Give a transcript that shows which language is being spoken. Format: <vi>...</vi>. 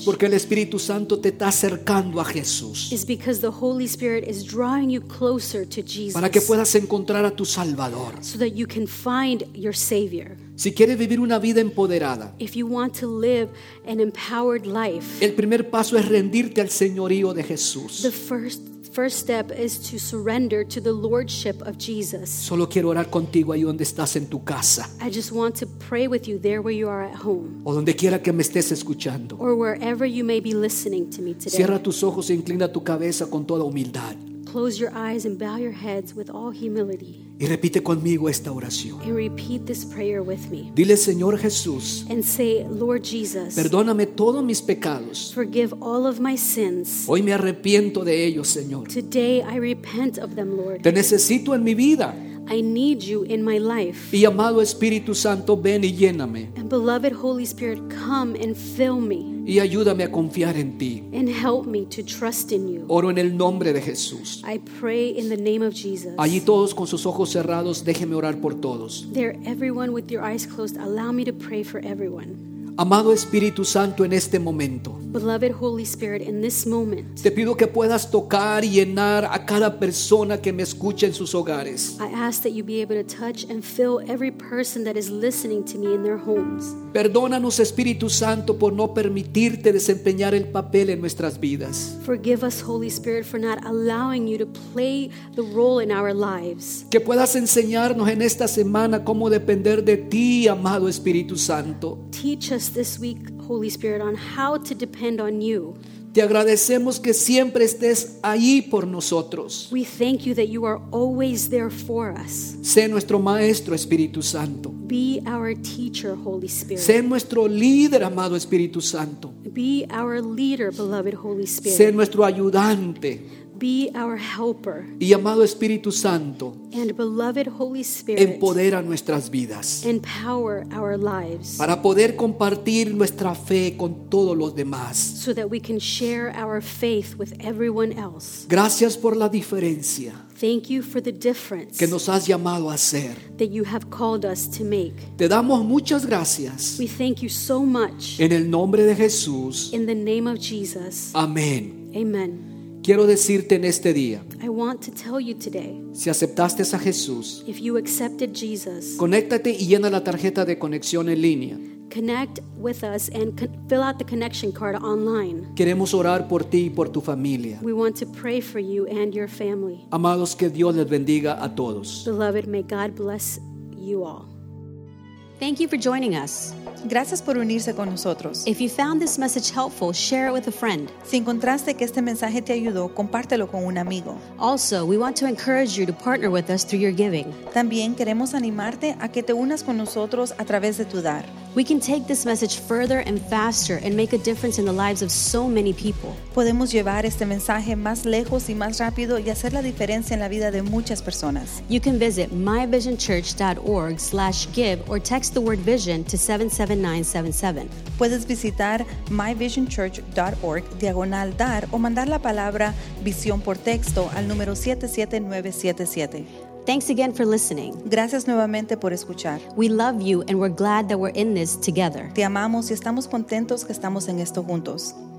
<es>Es porque el Espíritu Santo te está acercando a Jesús.</es> <en>Is because the Holy Spirit is drawing you closer to Jesus.</en> <es>Para que puedas encontrar a tu Salvador.</es> <en>So that you can find your Savior.</en> <es>Si quieres vivir una vida empoderada,</es> <en>if you want to live an empowered life,</en> <es>el primer paso es rendirte al señorío de Jesús.</es> <en>The first step is to surrender to the lordship of Jesus.</en> <es>Solo quiero orar contigo ahí donde estás en tu casa.</es> <en>I just want to pray with you there where you are at home.</en> <es>O donde quiera que me estés escuchando.</es> <en>Or wherever you may be listening to me today.</en> <es>Cierra tus ojos e inclina tu cabeza con toda humildad.</es> <en>Close your eyes and bow your heads with all humility.</en> <es>Y repite conmigo esta oración.</es> <en>And repeat this prayer with me.</en> <es>Dile, Señor Jesús.</es> <en>And say, Lord Jesus.</en> <es>Perdóname todos mis pecados.</es> <en>Forgive all of my sins.</en> <es>Hoy me arrepiento de ellos, Señor.</es> <en>Today I repent of them, Lord.</en> <es>Te necesito en mi vida.</es> <en>I need you in my life.</en> <es>Y amado Espíritu Santo, ven y lléname.</es> <en>And beloved Holy Spirit, come and fill me.</en> <es>Y ayúdame a confiar en ti.</es> <en>And help me to trust in you.</en> <es>Oro en el nombre de Jesús.</es> <en>I pray in the name of Jesus.</en> <es>Allí todos con sus ojos cerrados, déjeme orar por todos.</es> <en>There, everyone with your eyes closed, allow me to pray for everyone.</en> <es>Amado Espíritu Santo, en este momento,</es> <en>beloved Holy Spirit, in this moment,</en> <es>te pido que puedas tocar y llenar a cada persona que me escucha en sus hogares.</es> <en>I ask that you be able to touch and fill every person that is listening to me in their homes.</en> <es>Perdónanos, Espíritu Santo, por no permitirte desempeñar el papel en nuestras vidas.</es> <en>Forgive us, Holy Spirit, for not allowing you to play the role in our lives.</en> <es>Que puedas enseñarnos en esta semana cómo depender de ti, amado Espíritu Santo.</es> <en>Teach us this week, Holy Spirit, on how to depend on you.</en> <es>Te agradecemos que siempre estés ahí por nosotros.</es> <en>We thank you that you are always there for us.</en> <es>Sé nuestro maestro, Espíritu Santo.</es> <en>Be our teacher, Holy Spirit.</en> <es>Sé nuestro líder, amado Espíritu Santo.</es> <en>Be our leader, beloved Holy Spirit.</en> <es>Sé nuestro ayudante.</es> <en>Be our helper.</en> <es>Y amado Espíritu Santo,</es> <en>and beloved Holy Spirit,</en> <es>empodera nuestras vidas,</es> <en>empower our lives,</en> <es>para poder compartir nuestra fe con todos los demás,</es> <en>so that we can share our faith with everyone else.</en> <es>Gracias por la diferencia.</es> <en>Thank you for the difference</en> <es>que nos has llamado a hacer.</es> <en>That you have called us to make.</en> <es>Te damos muchas gracias.</es> <en>We thank you so much.</en> <es>En el nombre de Jesús.</es> <en>In the name of Jesus.</en> <es>Amén.</es> <en>Amen.</en> <es>Quiero decirte en este día,</es> <en>I want to tell you today,</en> <es>si aceptaste a Jesús,</es> <en>if you accepted Jesus,</en> <es>conéctate y llena la tarjeta de conexión en línea.</es> <en>Connect with us and fill out the connection card online.</en> <es>Queremos orar por ti y por tu familia.</es> <en>We want to pray for you and your family.</en> <es>Amados, que Dios les bendiga a todos.</es> <en>Beloved, may God bless you all. Thank you for joining us.</en> <es>Gracias por unirse con nosotros.</es> <en>If you found this message helpful, share it with a friend.</en> <es>Si encontraste que este mensaje te ayudó, compártelo con un amigo.</es> <en>Also, we want to encourage you to partner with us through your giving.</en> <es>También queremos animarte a que te unas con nosotros a través de tu dar.</es> <en>We can take this message further and faster and make a difference in the lives of so many people.</en> <es>Podemos llevar este mensaje más lejos y más rápido y hacer la diferencia en la vida de muchas personas.</es> <en>You can visit myvisionchurch.org/give or text the word vision to 77977.</en> <es>Puedes visitar myvisionchurch.org/dar o mandar la palabra visión por texto al número 77977.</es> <en>Thanks again for listening.</en> <es>Gracias nuevamente por escuchar.</es> <en>We love you and we're glad that we're in this together.</en> <es>Te amamos y estamos contentos que estamos en esto juntos.</es>